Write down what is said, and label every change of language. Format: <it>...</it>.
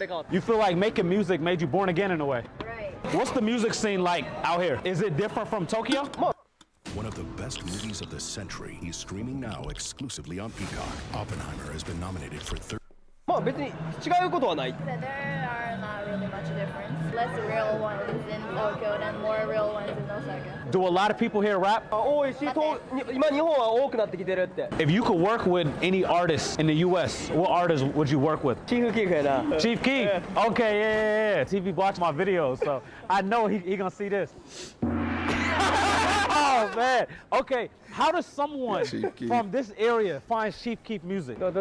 <en>You feel like making music made you born again in a way? Right. What's the music scene like out here? Is it different from Tokyo? One of the best movies of the century is streaming now exclusively on Peacock. Oppenheimer has been nominated for 30.</en> <ja>まあ別に違うことはない。</ja> <en>There are not really much difference. Less real ones in Tokyo than more real ones in Osaka. Do a lot of people here rap?</en> <ja>多いし、今日本は多くなってきてるって。</ja> <en>If you could work with any artist in the US, what artist would you work with?</en> <ja>Chief Keef やな。</ja> <en>Chief Keef? Okay, yeah. TV watched my videos, so I know he gonna see this. Oh man, okay, how does someone from this area find Chief Keef music?</en>